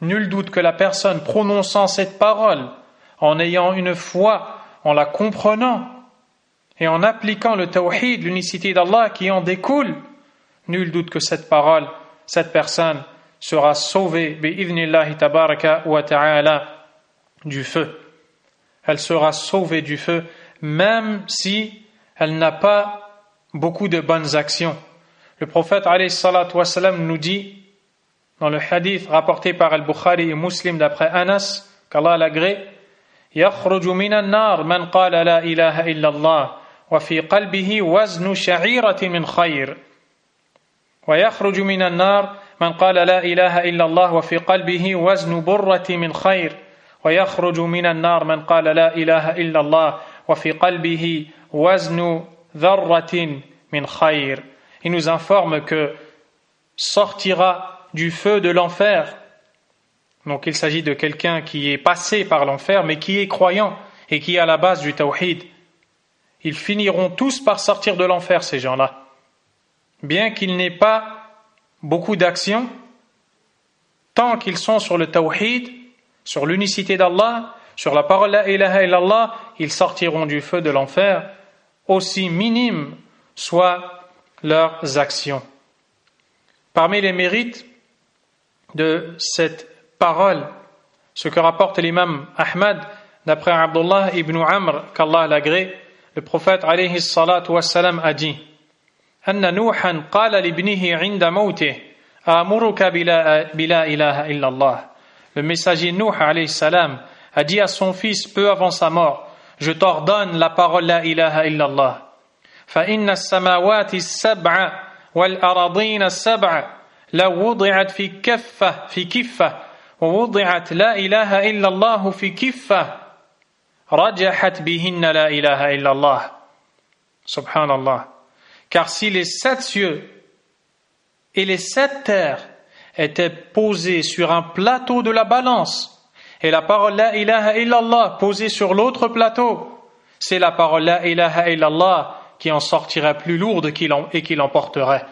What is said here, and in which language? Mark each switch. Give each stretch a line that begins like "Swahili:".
French: Nul doute que la personne prononçant cette parole, en ayant une foi, en la comprenant, et en appliquant le tawhid, l'unicité d'Allah qui en découle, nul doute que cette parole, cette personne sera sauvée, bi'idhnillahi tabaraka wa ta'ala, du feu. Elle sera sauvée du feu, même si elle n'a pas beaucoup de bonnes actions. Le prophète alayhi salatu wa salam nous dit, dans le hadith rapporté par Al-Bukhari et Muslim d'après Anas, qu'Allah l'agrée,
Arabic: يَخْرُجُ مِنَ النَّارِ مَنْ قَالَ لَا إِلَهَ إِلَّا اللَّهِ وَفِي قَلْبِهِ وَزْنُ شَعِيرَةٍ مِنْ خَيْرٍ وَيَخْرُجُ مِنَ النَّارِ مَنْ قَالَ لَا إِلَهَ إِلَّا اللَّهِ وَفِي قَلْبِهِ وَزْنُ بُرَّةٍ مِنْ خَيْرٍ وَيَخْرُجُ مِنَ النَّارِ مَنْ قَالَ لَا إِلَهَ إِلَّا اللَّهِ وَفِي قَلْبِهِ وَزْنُ ذَرَّةٍ مِنْ خَيْرٍ.
French: Il nous informe que sortira du feu de l'enfer, donc il s'agit de quelqu'un qui est passé par l'enfer mais qui est croyant et qui est à la base du tawhid. Ils finiront tous par sortir de l'enfer, ces gens-là. Bien qu'ils n'aient pas beaucoup d'actions, tant qu'ils sont sur le tawhid, sur l'unicité d'Allah, sur la parole « La ilaha illallah », ils sortiront du feu de l'enfer, aussi minimes soient leurs actions. Parmi les mérites de cette parole, ce que rapporte l'imam Ahmad, d'après Abdullah ibn Amr, qu'Allah l'agrée, le prophète alayhi salatu wassalam a dit
Arabic: أن نوحا قال لابنه عند موته أمرك بلا إله إلا الله.
French: Le messager Nuh alayhi salam a dit à son fils peu avant sa mort, je t'ordonne la parole la ilaha illallah.
Arabic: فإن السماوات السبع والأراضين السبع لو وضعت في كفة في كفة ووضعت لا إله إلا الله في كفة رجحت بهن لا إله إلا الله. سبحان الله.
French: Car si les sept cieux et les sept terres étaient posés sur un plateau de la balance et la parole « La ilaha illallah » posée sur l'autre plateau, c'est la parole « La ilaha illallah » qui en sortirait plus lourde et qui l'emporterait.